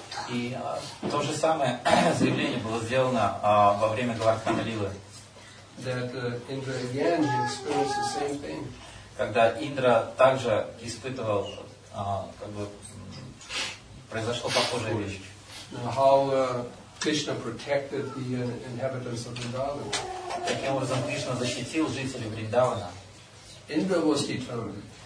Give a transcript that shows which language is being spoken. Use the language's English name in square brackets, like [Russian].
[Russian] И то же самое заявление было сделано во время Говардхана Лилы. [English] That Indra again he experienced the same thing. [Russian] Когда Индра также испытывал, как бы, произошло похожая вещь. [English] How Krishna protected the inhabitants of Vrindavan. [Russian] Таким образом, Кришна защитил жителей Вриндавана. [English] Indra was determined.